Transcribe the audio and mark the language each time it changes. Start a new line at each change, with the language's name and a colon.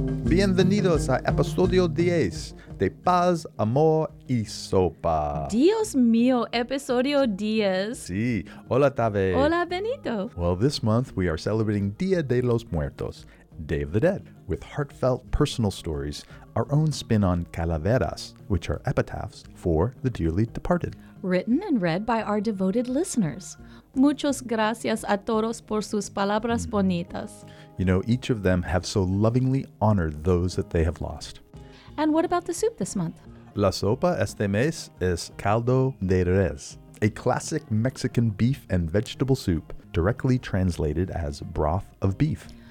Spanish: Bienvenidos a Episodio 10 de Paz, Amor y Sopa. Dios mío, Episodio 10. Sí. Hola, Tave. Hola, Benito.
English: Well, this month we are celebrating Día de los Muertos, Day of the Dead, with heartfelt personal stories, our own spin on calaveras, which are epitaphs for the dearly departed. Written and read by our devoted listeners.
Spanish: Muchas gracias a todos por sus palabras bonitas.
English: You know, each of them have so lovingly honored those that they have lost. And what about the soup this month?
Spanish: La sopa este mes es caldo de res,
English: a classic Mexican beef and vegetable soup, directly translated as broth of beef.